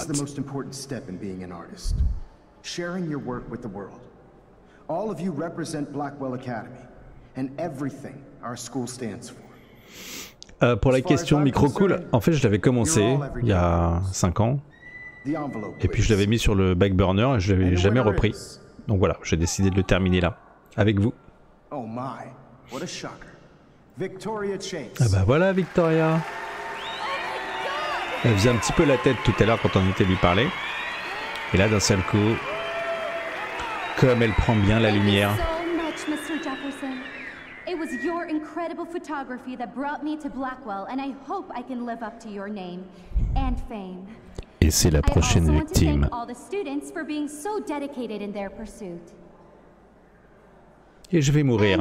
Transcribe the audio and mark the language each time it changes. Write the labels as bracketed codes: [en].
[en] This is the most important step in being an artist. Sharing your work with the world. All of you represent Blackwell Academy and everything our school stands for. [fr] Pour la question micro cool, en fait, je l'avais commencé il y a 5 ans. Et puis je l'avais mis sur le [en] back burner [fr] et je l'avais jamais repris. Donc voilà, j'ai décidé de le terminer là avec vous. [en] Oh my, what a shocker. Victoria Chase. [fr] Ah bah voilà Victoria. Elle faisait un petit peu la tête tout à l'heure quand on était lui parler. Et là d'un seul coup, comme elle prend bien la lumière. [en] Thank you so much, Mr. Jefferson. It was your incredible photography that brought me to Blackwell, and I hope I can live up to your name and fame. [fr] Et c'est la prochaine victime. [en] I also want to thank all the students for being so dedicated in their pursuit. [fr] Et je vais mourir.